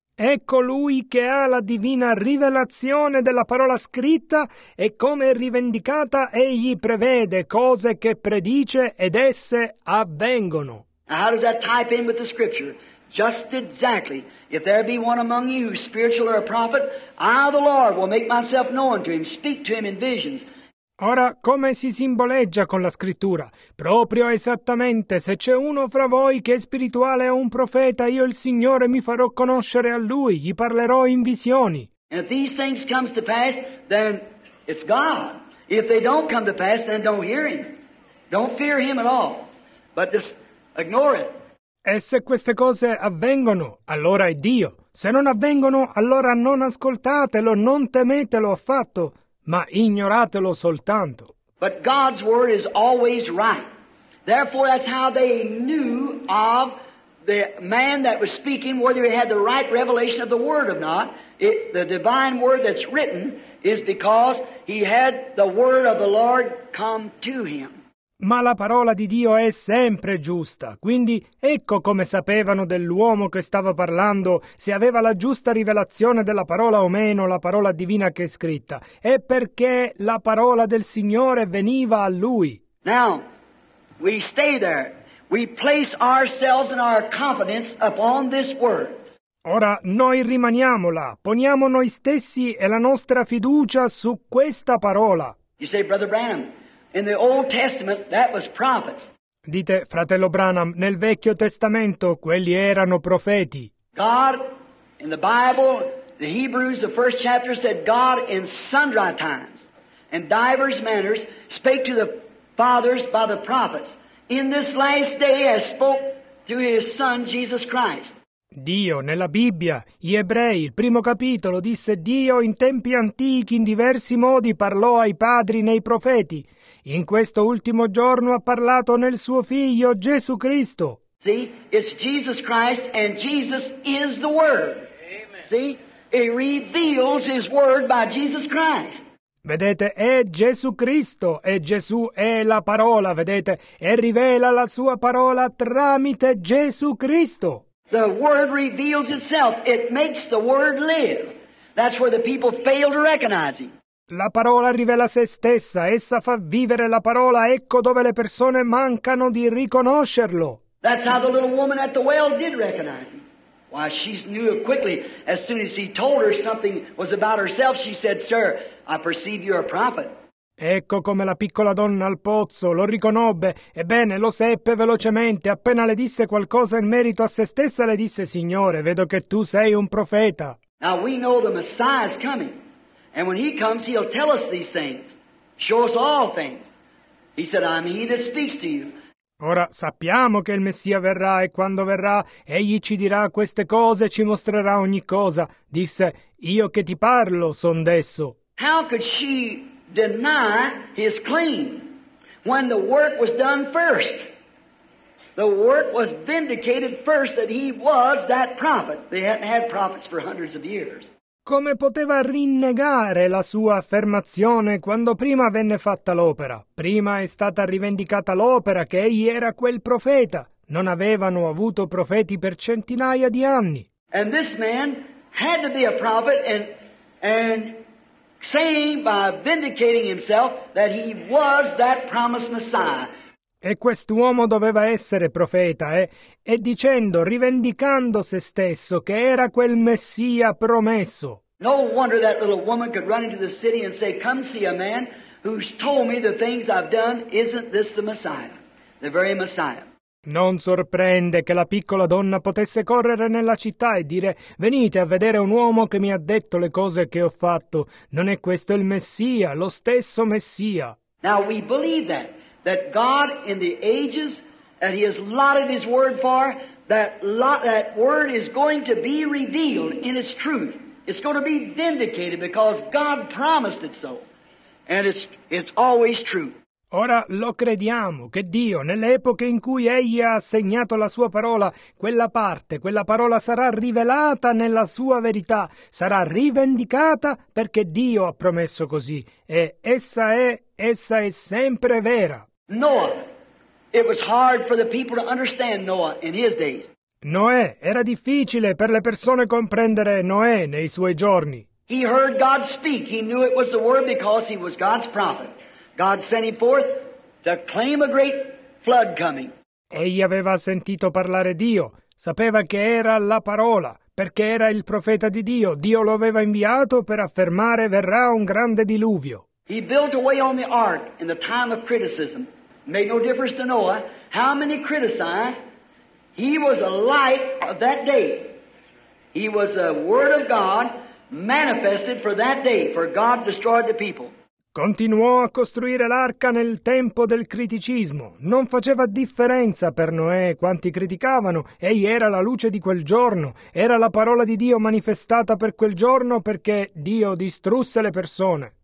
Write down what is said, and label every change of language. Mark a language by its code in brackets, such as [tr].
[it] È colui che ha la divina rivelazione della parola scritta e come rivendicata egli prevede cose che predice ed esse avvengono. [en] How does that tie in with the scripture? Just exactly. If there be one among you who is spiritual or a prophet, I the Lord will make myself known to him, speak to him in visions. [it] Ora, come si simboleggia con la scrittura? Proprio esattamente, se c'è uno fra voi che è spirituale o un profeta, io il Signore mi farò conoscere a lui, gli parlerò in visioni. [en] And if these things come to pass, then it's God. If they don't come to pass, then don't hear him. Don't fear him at all. But just ignore it. [it] E se queste cose avvengono, allora è Dio. Se non avvengono, allora non ascoltatelo, non temetelo affatto. Ma ignoratelo soltanto. [en] But God's word is always right. Therefore, that's how they knew of the man that was speaking, whether he had the right revelation of the word or not. The divine word that's written is because he had the word of the Lord come to him. [it] Ma la parola di Dio è sempre giusta. Quindi ecco come sapevano dell'uomo che stava parlando, se aveva la giusta rivelazione della parola o meno, la parola divina che è scritta. È perché la parola del Signore veniva a lui. [en] Now, we stay there. We place ourselves and our confidence upon this word. [it] Ora noi rimaniamo là, poniamo noi stessi e la nostra fiducia su questa parola. [en] You say, Brother Branham, in the Old Testament, that was prophets. [it] Dite, fratello Branham, nel Vecchio Testamento quelli erano profeti. [en] God, in the Bible, the Hebrews, the first chapter, said God in sundry times, in divers manners, spake to the fathers by the prophets. In this last day has spoke to his son, Jesus Christ. [it] Dio, nella Bibbia, gli ebrei, il primo capitolo, disse Dio in tempi antichi in diversi modi parlò ai padri nei profeti. In questo ultimo giorno ha parlato nel suo figlio Gesù Cristo. [en] See, it's Jesus Christ and Jesus is the Word. Amen. See, he reveals his Word by Jesus Christ. [it] Vedete, è Gesù Cristo e Gesù è la parola, vedete, e rivela la sua parola tramite Gesù Cristo. [en] The Word reveals itself. It makes the Word live. That's where the people fail to recognize him. [it] La parola rivela se stessa, essa fa vivere la parola, ecco dove le persone mancano di riconoscerlo. [en] That's how the little woman at the well did recognize him. Why, she knew it quickly. As soon as he told her something was about herself, she said, Sir, I perceive you're a prophet. [it] Ecco come la piccola donna al pozzo lo riconobbe. Ebbene, lo seppe velocemente. Appena le disse qualcosa in merito a se stessa, le disse, Signore, vedo che tu sei un profeta. [en] Now we know the Messiah is coming. And when he comes, he'll tell us these things, show us all things. He said, I'm he that speaks to you. [it] Ora sappiamo che il Messia verrà e quando verrà, egli ci dirà queste cose e ci mostrerà ogni cosa. Disse, io che ti parlo, son d'esso. [en] How could she deny his claim when the work was done first? The work was vindicated first that he was that prophet. They hadn't had prophets for hundreds of years. [it] Come poteva rinnegare la sua affermazione quando prima venne fatta l'opera? Prima è stata rivendicata l'opera che egli era quel profeta. Non avevano avuto profeti per centinaia di anni. [en] And this man had to be a prophet and saying by vindicating himself that he was that promised Messiah. [it] E quest'uomo doveva essere profeta, e dicendo, rivendicando se stesso, che era quel Messia promesso. [en] No wonder that little woman could run into the city and say, come see a man who's told me the things I've done, isn't this the Messiah, the very Messiah. [it] Non sorprende che la piccola donna potesse correre nella città e dire, venite a vedere un uomo che mi ha detto le cose che ho fatto, non è questo il Messia, lo stesso Messia. [en] Now we believe that. That God in the ages that he has allotted his word for, that word is going to be revealed in its truth. It's going to be vindicated because God promised it so. And it's always true. [it] Ora lo crediamo che Dio, nelle epoche in cui egli ha assegnato la sua parola, quella parte, quella parola sarà rivelata nella sua verità, sarà rivendicata perché Dio ha promesso così. E essa è sempre vera. Noah, it was hard for the people to understand Noah in his days. Noè, era difficile per le persone comprendere Noè nei suoi giorni. [en] He heard God speak. He knew it was the word because he was God's prophet. God sent him forth to claim a great flood coming. [it] Egli aveva sentito parlare Dio, sapeva che era la parola, perché era il profeta di Dio. Dio lo aveva inviato per affermare verrà un grande diluvio. [en] He built away on the ark in the time of criticism. Made no difference to Noah how many criticized. He was a light of that day. He was a word of God manifested for that day, for God destroyed the people. [it] Continuò a costruire l'arca nel tempo del criticismo. Non faceva differenza per Noè quanti criticavano. Egli era la luce di quel giorno. Era la parola di Dio manifestata per quel giorno perché Dio distrusse le persone.